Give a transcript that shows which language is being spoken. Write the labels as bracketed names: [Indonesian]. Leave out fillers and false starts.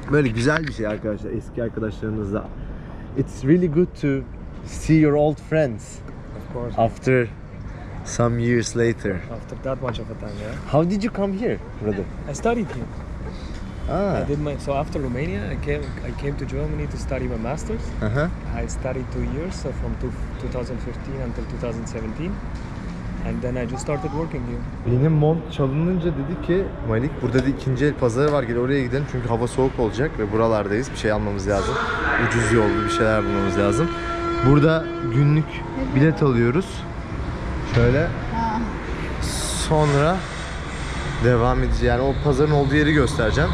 [Turkish] Böyle güzel bir şey arkadaşlar, eski arkadaşlarınızla. [English] It's really good to see your old friends. Of course. After some years later. After that much of a time, yeah. How did you come here, brother? I studied here. So after Romania, I came to Germany to study my master's. Uh-huh. I studied 2 years, so from 2015 until 2017. And then I just started working here. [Turkish] Benim mont çalınınca dedi ki, Malik, burada da ikinci el pazarı var, gel oraya gidelim. Çünkü hava soğuk olacak ve buralardayız. Bir şey almamız lazım. Ucuz yollu bir şeyler bulmamız lazım. Burada günlük bilet alıyoruz. Şöyle. Sonra devam edeceğiz. Yani o pazarın olduğu yeri göstereceğim.